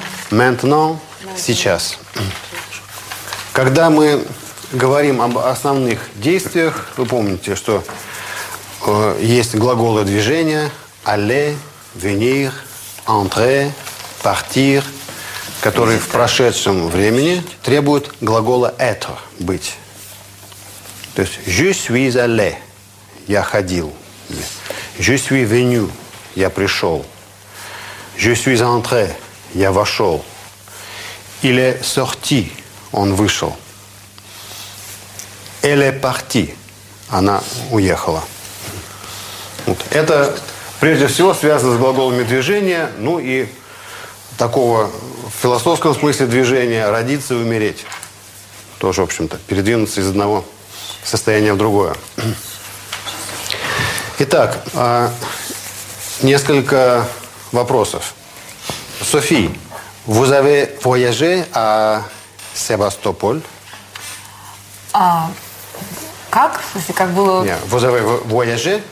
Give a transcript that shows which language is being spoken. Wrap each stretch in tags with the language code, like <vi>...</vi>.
<ru>Maintenant, сейчас. Когда мы говорим об основных действиях, вы помните, что есть глаголы движения.</ru> <fr>Aller, venir, entrer, partir,</fr> <ru>которые в прошедшем времени требуют глагола être, быть. То есть</ru> <fr>je suis allé,</fr> <ru>я ходил.</ru> <fr>Je suis venu,</fr> <ru>я пришел.</ru> <fr>Je suis entré,</fr> <ru>я вошел.</ru> <fr>Il est sorti,</fr> <ru>он вышел.</ru> <fr>Elle est partie,</fr> <ru>она уехала. Вот. Это прежде всего связано с глаголами движения, ну и такого в философском смысле движения, родиться и умереть. Тоже, в общем-то, передвинуться из одного состояния в другое. Итак, несколько вопросов.</ru> <fr>Софи, vous avez voyagé à Sébastopol?</fr> <ru>А, как? В смысле, как было? Нет,</ru> <fr>vous avez voyagé?</fr>